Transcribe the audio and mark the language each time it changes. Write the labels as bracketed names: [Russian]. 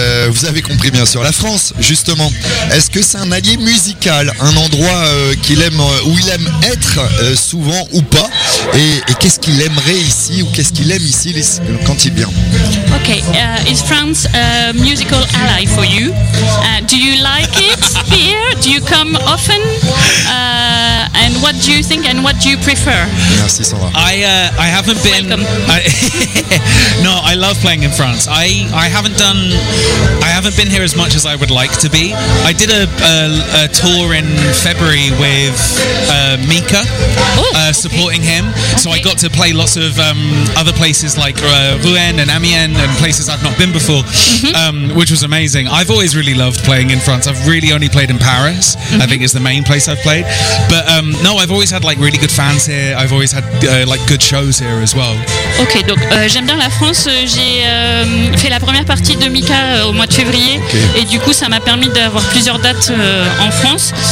[French] Vous avez compris bien sûr. La France, justement, est-ce que c'est un allié musical, un endroit qu'il aime, où il aime être souvent ou pas? Et qu'est-ce qu'il aimerait ici ou qu'est-ce qu'il aime ici quand il vient? [English] Ok, is France a musical ally for you? Do you like it here? Do you come often? And what do you think and what do you prefer? [French] Merci Sandra. [English] I haven't been... no, I love playing in France. I haven't been here as much as I would like to be. I did a tour in February with Mika, supporting him. Okay. So I got to play lots of other places like Rouen and Amiens and places I've not been before, which was amazing. I've always really loved playing in France. I've really only played in Paris, I think is the main place I've played. But no, I've always had like really good fans here. I've always had like good shows here as well. [French] Ok, donc j'aime bien la France. J'ai fait la première partie de Mika au mois de février, et du coup ça m'a permis d'avoir plusieurs dates en France.